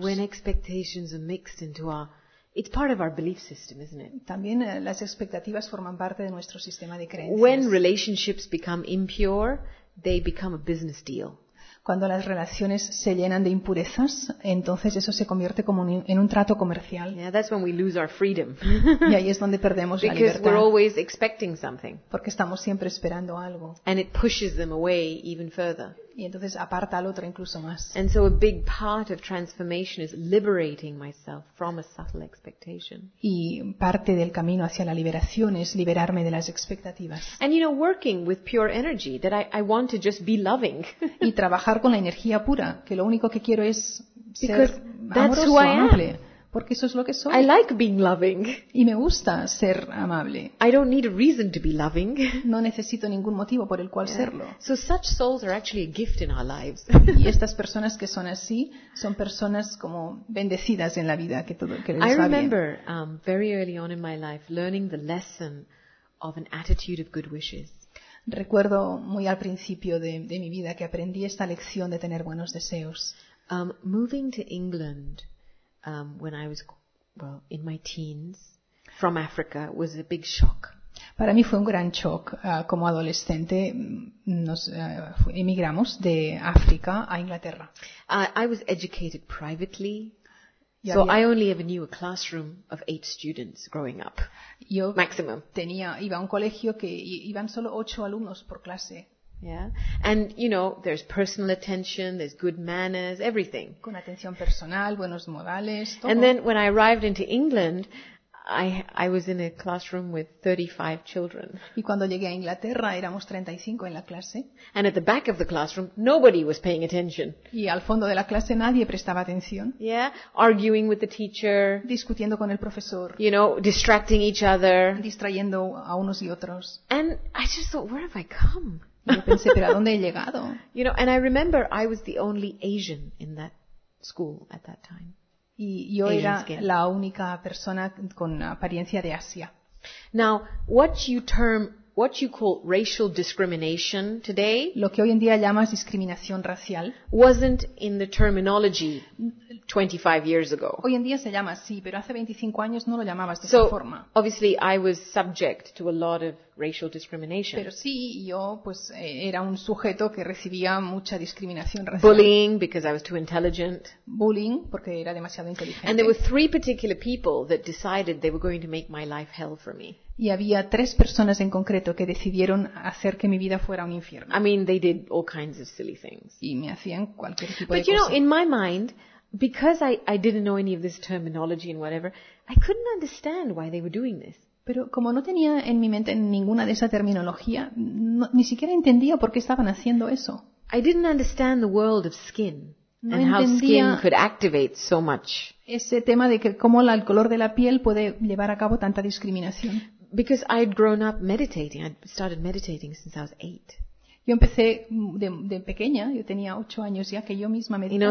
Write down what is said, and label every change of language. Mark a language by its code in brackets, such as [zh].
[en] When expectations are mixed into our, it's part of our belief system, isn't it? [es] También las expectativas forman parte de nuestro sistema de creencias. [en] When relationships become impure, they become a business deal. [es] Cuando las relaciones se llenan de impurezas, entonces eso se convierte como en un trato comercial. [en] Yeah, that's when we lose our freedom. [es] Y ahí es donde perdemos [en] because [es] la libertad. [en] We're always expecting something. [es] Porque estamos siempre esperando algo. [en] And it pushes them away even further. [es] Y entonces aparta al otro incluso más. [en] And so a big part of transformation is liberating myself from a subtle expectation. [es] Y parte del camino hacia la liberación es liberarme de las expectativas. [en] And you know, working with pure energy, that I want to just be loving. [es] Y trabajar con la energía pura, que lo único que quiero es ser amoroso, amable. Porque eso es lo que soy. [en] I like being loving. [es] Y me gusta ser amable. [en] I don't need a reason to be loving. [es] No necesito ningún motivo por el cual yeah. serlo. [en] So such souls are actually a gift in our lives. [es] Y estas personas que son así son personas como bendecidas en la vida que todo que les va bien. [en] I remember very early on in my life learning the lesson of an attitude of good wishes. Recuerdo muy al principio de mi vida que aprendí esta lección de tener buenos deseos. Moving to England. When I was, well, in my teens, from Africa, was a big shock. [es] Para mí fue un gran shock como adolescente. Nos emigramos de África a Inglaterra. [en] I was educated privately. So I only ever knew a classroom of 8 students growing up. [es] Yo [en] maximum. [es] Iba a un colegio que iban solo 8 alumnos por clase. Yeah. [en] And you know, there's personal attention, there's good manners, everything. [es] Con atención personal, buenos modales, todo. [en] And then when I arrived into England, I was in a classroom with 35 children. [es] Y cuando llegué a Inglaterra éramos 35 en la clase. [en] And at the back of the classroom nobody was paying attention. [es] Y al fondo de la clase nadie prestaba atención. [en] Yeah, arguing with the teacher. [es] Discutiendo con el profesor. [en] You know, distracting each other. [es] Distrayendo a unos y otros. [en] And I just thought, where have I come? [es] Y yo pensé, ¿pero a dónde he llegado? [en] You know, and I remember I was the only Asian in that school at that time. [es] Y yo era la única persona con apariencia de Asia. [en] Now, what you call racial discrimination today, [es] lo que hoy en día llamas discriminación racial, [en] wasn't in the terminology 25 years ago. [es] Hoy en día se llama así, pero hace 25 años no lo llamabas de esa forma. [en] So, obviously, I was subject to a lot of racial discrimination. [es] Pero sí, yo pues era un sujeto que recibía mucha discriminación racial. [en] Bullying because I was too intelligent. [es] Bullying porque era demasiado inteligente. [en] And there were 3 particular people that decided they were going to make my life hell for me. [es] Y había 3 personas en concreto que decidieron hacer que mi vida fuera un infierno. [en] I mean, they did all kinds of silly things. [es] Y me hacían cualquier tipo [en] But [es] de cosa. [en] But you know, in my mind, because I didn't know any of this terminology and whatever, I couldn't understand why they were doing this. [es] Pero como no tenía en mi mente ninguna de esa terminología, no, ni siquiera entendía por qué estaban haciendo eso. [en] I didn't understand the world of skin. [es] No [en] and how skin could activate so much. [es] Ese tema de que cómo el color de la piel puede llevar a cabo tanta discriminación. [en] Because I'd grown up meditating. I'd started meditating since I was 8. [es] Yo empecé de pequeña, yo tenía 8 años ya, que yo misma meditaba.